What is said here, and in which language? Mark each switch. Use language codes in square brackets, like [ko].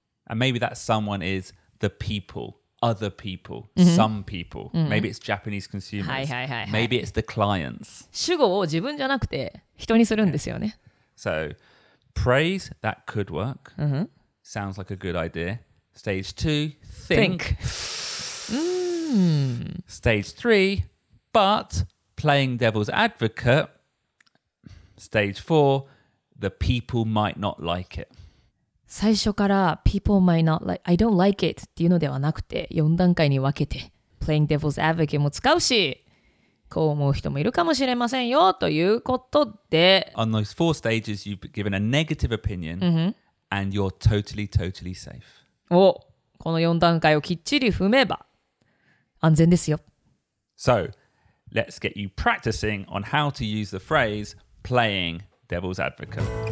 [en] And maybe that someone is the people, other people,、mm-hmm. some people.、Mm-hmm. Maybe it's Japanese consumers. [ja] はいはいはい、はい、 [en] maybe it's the clients. [ja] 主語を自分じゃなくて人にするんですよね。 [en] Yeah. So praise, that could work.、Mm-hmm. Sounds like a good idea. Stage two, think. Stage three, but playing devil's advocate. Stage 4, the people might not like it. [ja] 最初から [en] people might not like, I don't like it [ja] っていうのではなくて4段階に分けて [en] playing devil's advocate [ja] も使うしこう思う人もいるかもしれませんよということで [en] On those four stages, you've given a negative opinion、 mm-hmm. and you're totally, totally safe. [ja] お、この4段階をきっちり踏めば安全ですよ。 [en] So, let's get you practicing on how to use the phrasePlaying devil's advocate.